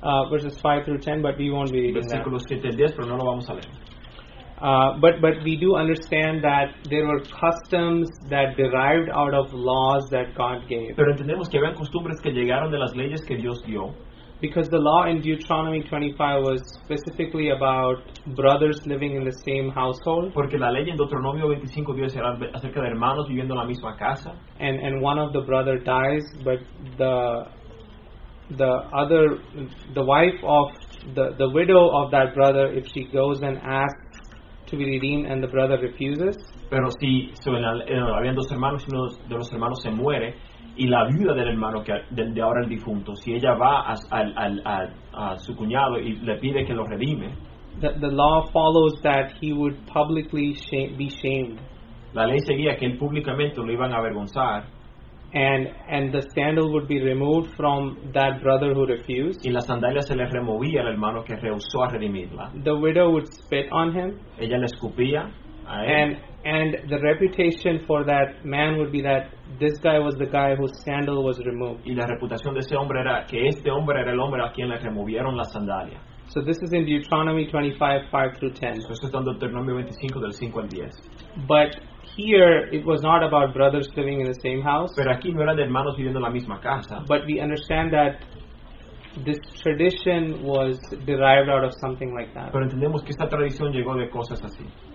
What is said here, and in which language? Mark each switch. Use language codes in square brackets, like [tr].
[en] Verses 5 through 10, but we won't be reading that. [es] Versículos 7 al 10, pero no lo vamos a leer. [en] But we do understand that there were customs that derived out of laws that God gave. [es] Pero entendemos que habían costumbres que llegaron de las leyes que Dios dio. [en] Because the law in Deuteronomy 25 was specifically about brothers living in the same household. [es] Porque la ley en Deuteronomio 25 Dios era acerca de hermanos viviendo en la misma casa. [en] And one of the brother dies, but the widow of that brother, if she goes and asks to be redeemed and the brother refuses. [es] Pero si habían dos hermanos y uno de los hermanos se muere y la viuda del hermano que de ahora el difunto, si ella va a su cuñado y le pide que lo redime. [en] The law follows that he would publicly be shamed. [es] La ley seguía que él públicamente lo iban a avergonzar. [en] And the sandal would be removed from that brother who refused. [es] Y la sandalia se le removía al hermano que rehusó a redimirla. [en] The widow would spit on him. [es] Ella le escupía a él. [en] And the reputation for that man would be that this guy was the guy whose sandal was removed. [es] Y la reputación de ese hombre era que este hombre era el hombre a quien le removieron la sandalia. [en] So this is in Deuteronomy 25, 5 through 10. [es] Esto está en Deuteronomio 25, del 5 al 10. [en] But here, it was not about brothers living in the same house. [es] Pero aquí no eran de hermanos viviendo en la misma casa. [en] But we understand that this tradition was derived out of something like that. [es] Pero entendemos que esta tradición llegó de cosas así.